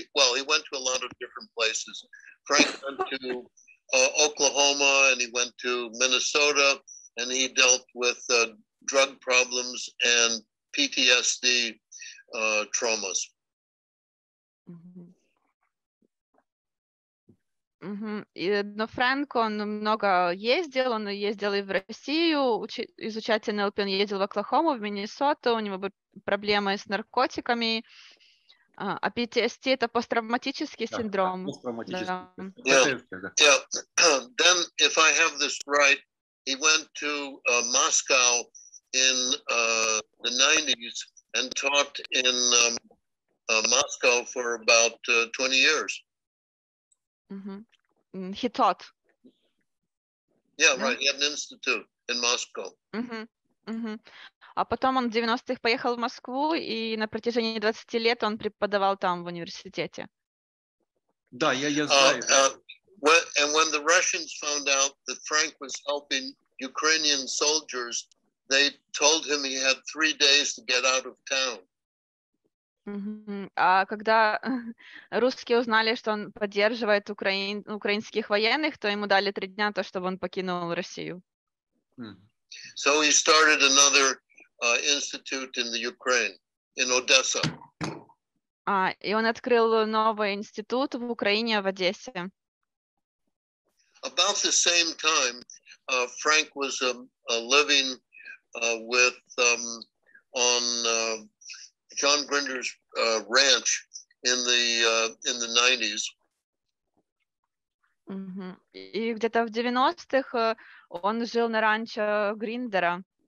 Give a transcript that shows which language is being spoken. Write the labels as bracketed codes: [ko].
[en] Well, he went to a lot of different places. Frank went to Oklahoma, and he went to Minnesota, and he dealt with drug problems and PTSD traumas. [ru] Но Фрэнк, он много ездил, он ездил и в Россию изучать НЛП, он ездил в Оклахому, в Миннесоту, у него были проблемы с наркотиками. А PTSD это посттравматический синдром. [en] Then if I have this right, he went to Moscow in the 90s and taught in Moscow for about 20 years. He taught. Yeah, right. He had an institute in Moscow. [ru] А потом он в 90-х поехал в Москву, и на протяжении 20 лет он преподавал там в университете. Да, я знаю. [en] And when the Russians found out that Frank was helping Ukrainian soldiers, they told him he had 3 days to get out of town. [ru] А когда русские узнали, что он поддерживает украинских военных, то ему дали 3 дня, то, чтобы он покинул Россию. [en] So he started another institute in the Ukraine, in Odessa. [ru] И он открыл новый институт в Украине, в Одессе. [en] About the same time, Frank was living with on John Grinder's ranch in the 90s. [ru] И где-то в 90-х он жил на ранчо Гриндера.